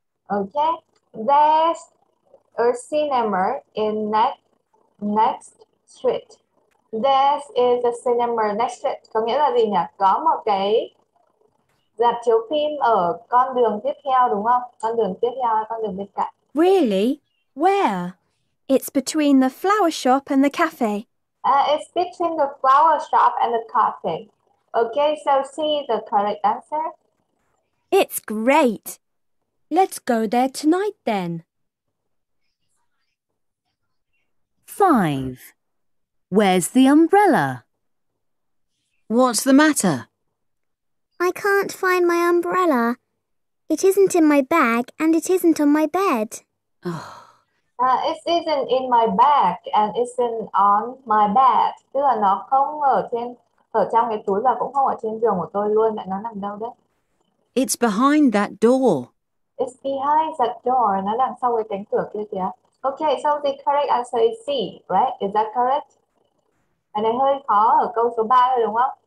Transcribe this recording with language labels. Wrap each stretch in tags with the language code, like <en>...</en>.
<en>Okay. There's a cinema in next street. There's is a cinema next street.</en> <vi>Có nghĩa là gì nhỉ? Có một cái rạp chiếu phim ở con đường tiếp theo đúng không? Con đường tiếp theo hay con đường bên cạnh?</vi> <en>Really? Where? It's between the flower shop and the cafe. It's between the flower shop and the cafe. Okay, so see the correct answer. It's great. Let's go there tonight then. 5. Where's the umbrella? What's the matter? I can't find my umbrella. It isn't in my bag and it isn't on my bed. It isn't in my bag and it isn't on my bed.</en> <vi>Tức là nó không ở trên ở trong cái túi và cũng không ở trên giường của tôi luôn. Nó nằm đâu đấy?</vi> <en>It's behind that door. It's behind that door.</en> <vi>Nó đằng sau cái cánh cửa kia kìa.</vi> <en>Okay, so the correct answer is C, right? Is that correct?</en> <vi>Cái này hơi khó ở câu số 3 thôi đúng không?</vi>